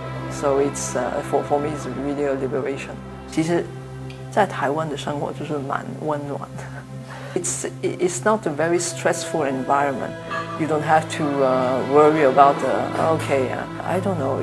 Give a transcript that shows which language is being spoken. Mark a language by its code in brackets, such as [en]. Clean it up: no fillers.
[en] So it's for me, it's really a liberation. [zh] 其实在台湾的生活就是蛮温暖的。 [en] It's not a very stressful environment. You don't have to worry about I don't know.